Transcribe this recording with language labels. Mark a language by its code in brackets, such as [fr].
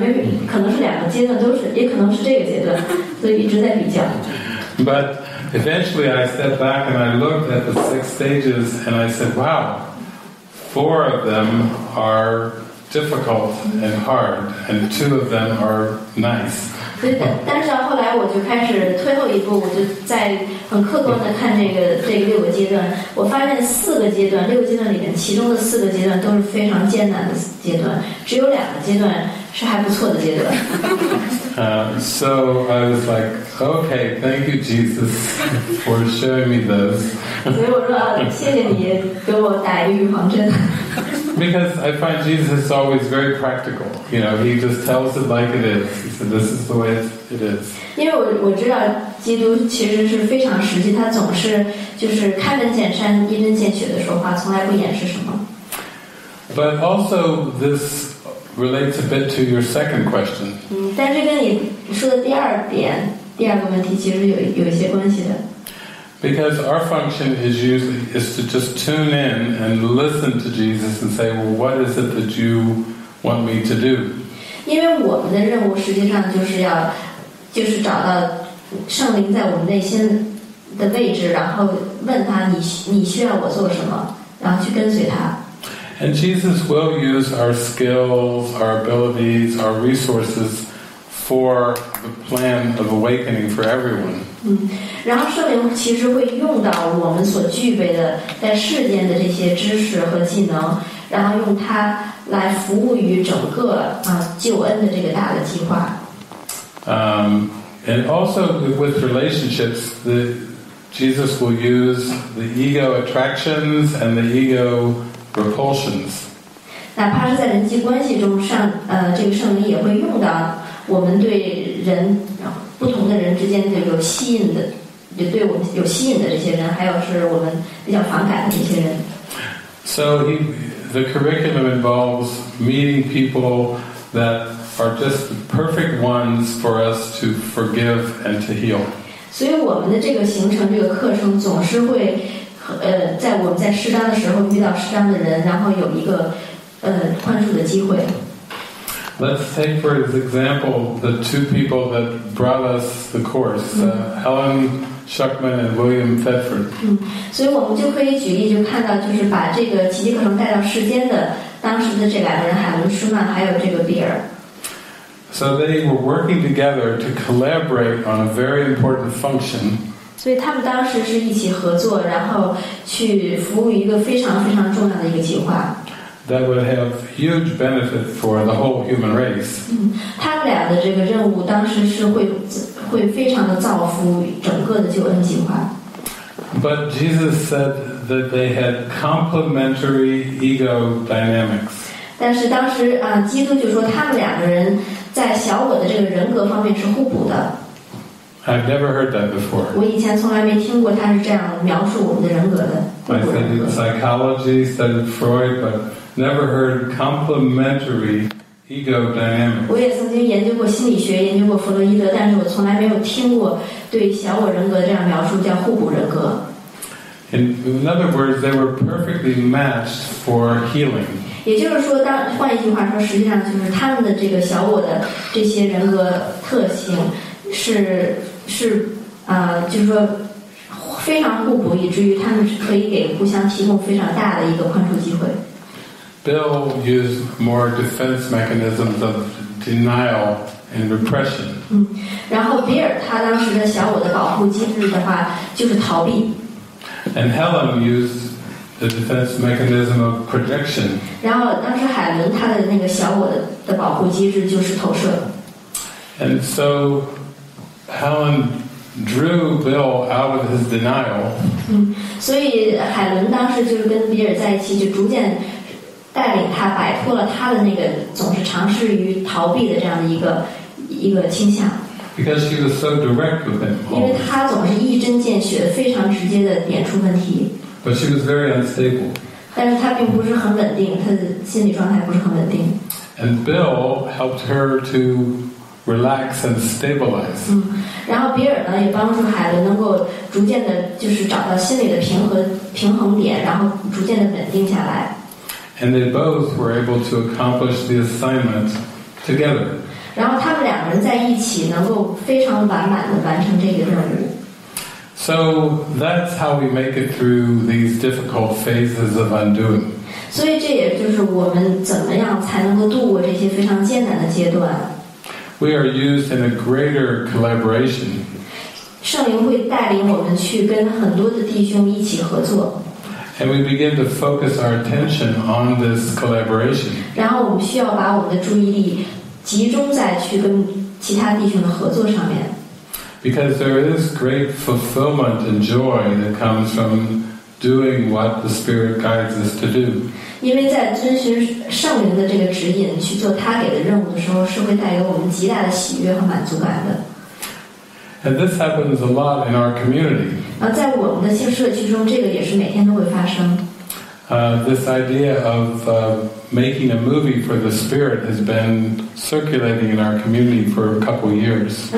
[zh] 没，可能是两个阶段都是，也可能是这个阶段，所以一直在比较。 [en] But eventually I stepped back and I looked at the 6 stages and I said, wow, 4 of them are difficult and hard and 2 of them are nice. [zh] 但是后来我就开始退后一步，我就在很客观地看这个六个阶段，我发现六个阶段里面其中的四个阶段都是非常艰难的阶段，只有两个阶段是还不错的阶段。 [en] So I was like, okay, thank you, Jesus, for showing me those. [zh] 所以我说，谢谢你给我打预防针。 [en] Because I find Jesus is always very practical. You know, he just tells it like it is. He said, this is the way it is. [zh] 因为 我知道基督其实是非常实际，他总是就是开门见山，一针见血的说话，从来不掩饰什么。 [en] But also, this relates a bit to your second question. [zh] 但是跟你说的第二点，第二个问题其实有一些关系的。 [en] Because our function is to just tune in and listen to Jesus and say, well, what is it that you want me to do? [zh] 因为我们的任务实际上就是要就是找到圣灵在我们内心的位置，然后问他你需要我做什么，然后去跟随他。 [en] And Jesus will use our skills, our abilities, our resources for the plan of awakening for everyone. [zh] 然后圣灵其实会用到我们所具备的在世间的这些知识和技能，然后用它来服务于整个救恩的这个大的计划。 [en] And also with relationships, Jesus will use the ego attractions and the ego repulsions. [zh] 哪怕是在人际关系中，这个圣灵也会用到我们对人不同的人之间的有吸引的，就对我们有吸引的这些人，还有是我们比较反感的这些人。 [en] So the curriculum involves meeting people that. Are just the perfect ones for us to forgive and to heal. [zh] 所以我们的这个行程，这个课程总是会，在我们在适当的时候遇到适当的人，然后有一个，宽恕的机会。 [en] Let's take for example the two people that brought us the course, Helen Schuckman and William Thetford. [zh] 所以我们就可以举例，就看到就是把这个奇迹课程带到世间的当时的这两个人，海伦·舒曼还有这个比尔。 [en] So they were working together to collaborate on a very important function. [zh] 所以他们当时是一起合作，然后去服务一个非常非常重要的一个计划。 [en] That would have huge benefit for the whole human race. [zh] 他们俩的这个任务当时是会非常的造福整个的救恩计划。 [en] But Jesus said that they had complementary ego dynamics. [zh] 但是当时基督就说他们两个人。在小我的这个人格方面是互补的。 [en] I've never heard that before. [zh] 我以前从来没听过他是这样描述我们的人格的。 [en] I studied psychology, studied Freud, but never heard complementary ego dynamics. [zh] 我也曾经研究过心理学，研究过弗洛伊德，但是我从来没有听过对小我人格这样描述，叫互补人格。 [en] In other words, they were perfectly matched for healing. [zh] 也就是说，换一句话说，实际上就是他们的这个小我的这些人格特性是就是说非常互补，以至于他们是可以给互相提供非常大的一个宽恕机会。 [en] Bill used more defense mechanisms of denial and repression. [zh] 然后比尔他当时的小我的保护机制的话就是逃避。 [en] And Helen used the defense mechanism of projection. [zh] 然后当时海伦她的那个小我的保护机制就是投射。 [en] And so Helen drew Bill out of his denial. [zh] 所以海伦当时就是跟比尔在一起，就逐渐带领他摆脱了他的那个总是尝试于逃避的这样的一个倾向。 [en] Because she was so direct with him. [zh] 因为她总是一针见血，非常直接的点出问题。 [en] But she was very unstable. [zh] 但是她并不是很稳定，她的心理状态不是很稳定。 [en] And Bill helped her to relax and stabilize. [zh] 然后比尔呢也帮助海伦能够逐渐的，就是找到心理的平衡点，然后逐渐的稳定下来。 [en] And they both were able to accomplish the assignment together. [zh] 然后他们两个人在一起能够非常完满地完成这个任务。 [en] So that's how we make it through these difficult phases of undoing. [zh] 所以这也就是我们怎么样才能够度过这些非常艰难的阶段。 [en] We are used in a greater collaboration. [zh] 圣灵会带领我们去跟很多的弟兄一起合作。 [en] And we begin to focus our attention on this collaboration. [zh] 然后我们需要把我们的注意力集中在去跟其他弟兄的合作上面。 [en] Because there is great fulfillment and joy that comes from doing what the spirit guides us to do. [zh] 因为在遵循圣灵的这个指引去做他给的任务的时候，是会带给我们极大的喜悦和满足感的。 [en] And this happens a lot in our community. [zh] 在我们的新社区中，这个也是每天都会发生。 [en] This idea of making a movie for the spirit has been circulating in our community for a couple years.